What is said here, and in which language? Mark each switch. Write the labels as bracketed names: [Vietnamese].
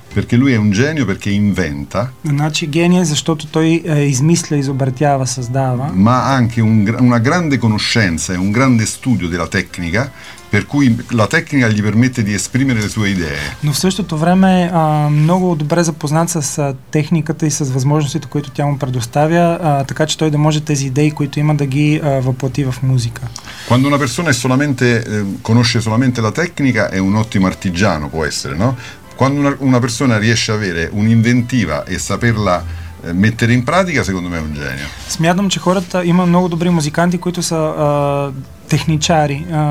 [Italian] Perché lui è un genio perché inventa. [Bulgarian] Значи гений, защото той измисля, изобретява, създава. [Italian] Ma anche una grande conoscenza e un grande studio della tecnica. Per cui la tecnica gli permette di esprimere le sue idee. [Bulgarian] Но в същото време много добре запознат с техниката и с възможностите, които тя му предоставя, така че той да може тези идеи, които има, да ги въплати в музика. [Italian] Quando una persona conosce solamente la tecnica è un ottimo artigiano può essere, no? Quando una persona riesce a avere un'inventiva e saperla mettere in pratica, secondo me è un genio. [Bulgarian] Смятам, че хората, има много добри музиканти, които са техничари.